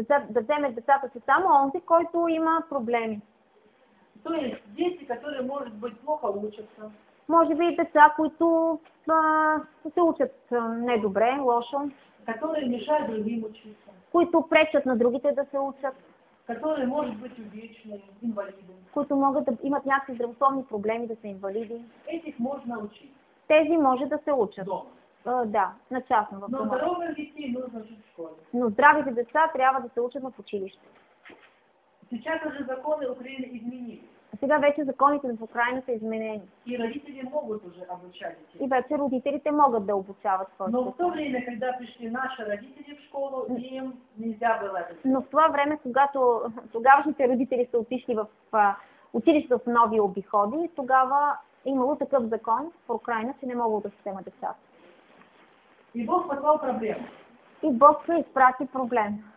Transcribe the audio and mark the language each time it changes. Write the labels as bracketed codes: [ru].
[bg] Да вземе децата си само онзи, който има проблеми. [ru] То есть дети, которые, может быть, плохо учатся. Может быть, [bg] деца, които се учат недобре, лошо. [ru] Которые мешают другим учиться. [bg] Които пречат на другите да се учат. [ru] Которые, может быть, увечные, инвалиды. [bg] Които могат да имат някакви здравословни проблеми, да са инвалиди. [ru] Этих можно учить. [bg] Тези може да се учат. [ru] Дома. [bg] Да, на частно. [ru] Но здоровые дети нужно учить в школе. [bg] Но здравите деца трябва да се учат в училище. [ru] Сейчас уже законы Украины изменились. [bg] А сега вече законите в Украина са изменени. [ru] И родители могут уже обучать детей. [bg] И вече родителите могат да обучават своите. [ru] Но в то время, когда пришли наши родители в школу, им нельзя было это. [bg] Но в това време, когато тогавашните родители са отишли в училище в нови обиходи, тогава имало такъв закон в Украина, че не могат да се вземат децата. [ru] И Бог послал проблем. [bg] И Бог се изпрати проблем.